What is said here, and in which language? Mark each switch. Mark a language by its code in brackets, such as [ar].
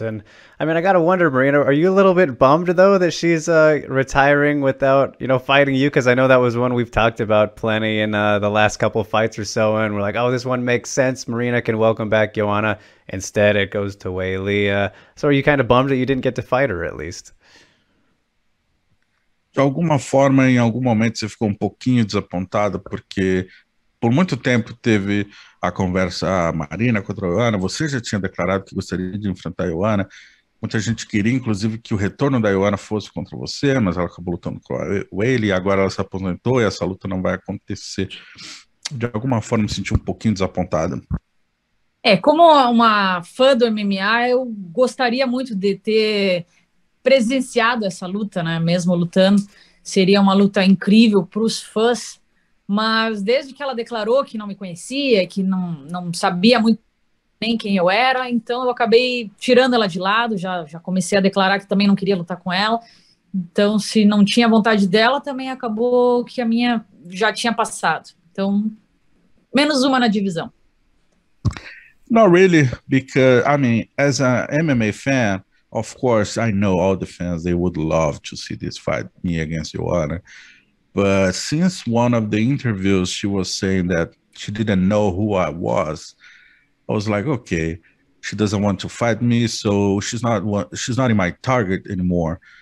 [en] And I mean, I got to wonder, Marina, are you a little bit bummed, though, that she's retiring without, you know, fighting you? Because I know that was one we've talked about plenty in the last couple of fights or so. And we're like, oh, this one makes sense. Marina can welcome back Joanna. Instead, it goes to Weili. So are you kind of bummed that you didn't get to fight her, at least? [pt] De alguma forma, em algum momento, você ficou um pouquinho desapontado, porque por muito tempo teve a conversa, a Marina contra a Joanna, você já tinha declarado que gostaria de enfrentar a Joanna, muita gente queria inclusive que o retorno da Joanna fosse contra você, mas ela acabou lutando com a Weili, agora ela se aposentou e essa luta não vai acontecer. De alguma forma me senti um pouquinho desapontado. Como uma fã do MMA, eu gostaria muito de ter presenciado essa luta, né? Mesmo lutando, seria uma luta incrível para os fãs. Mas desde que ela declarou que não me conhecia, que não sabia muito bem quem eu era, então eu acabei tirando ela de lado, já comecei a declarar que também não queria lutar com ela. Então, se não tinha vontade dela, também acabou que a minha já tinha passado. Então, menos uma na divisão. [en] Not really, because, I mean, as an MMA fan, of course, I know all the fans, they would love to see this fight, me against Joanna. But since one of the interviews, she was saying that she didn't know who I was. I was like, okay, she doesn't want to fight me, so she's not in my target anymore.